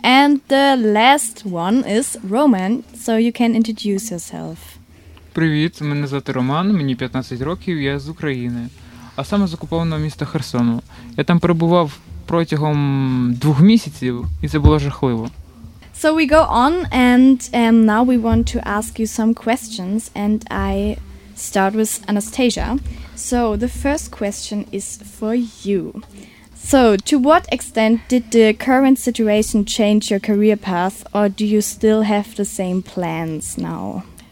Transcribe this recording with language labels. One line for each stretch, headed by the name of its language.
English: And the last one is Roman, so you can introduce yourself.
Ukrainian: Привіт, мене звати Роман, мені 15 років, я з України, а саме з окупованого міста Херсону. Я там перебував протягом 2 місяців, і це було жахливо.
English: So we go on, and now we want to ask you some questions, and I start with Anastasia. So the first question is for you. So to what extent did the current situation change your career path, or do you still have the same plans now?